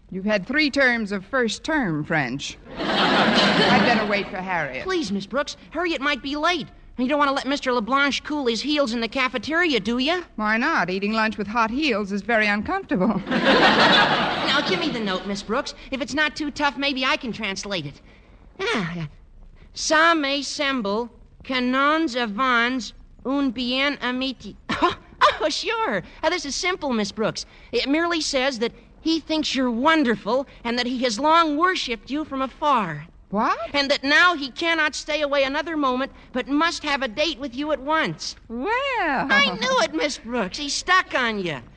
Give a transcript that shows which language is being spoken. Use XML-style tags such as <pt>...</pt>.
<en>You've had 3 terms of first-term French. I'd better wait for Harriet. Please, Miss Brooks, Harriet might be late. You don't want to let Mr. LaBlanche cool his heels in the cafeteria, do you? Why not? Eating lunch with hot heels is very uncomfortable. Now, give me the note, Miss Brooks. If it's not too tough, maybe I can translate it.</en> <fr>Ça m'assemble que nous avons une bien amitié.</fr> <en>Oh, sure. This is simple, Miss Brooks. It merely says that he thinks you're wonderful and that he has long worshipped you from afar. What? And that now he cannot stay away another moment, but must have a date with you at once. Well. I knew it, Miss Brooks. He's stuck on you.</en>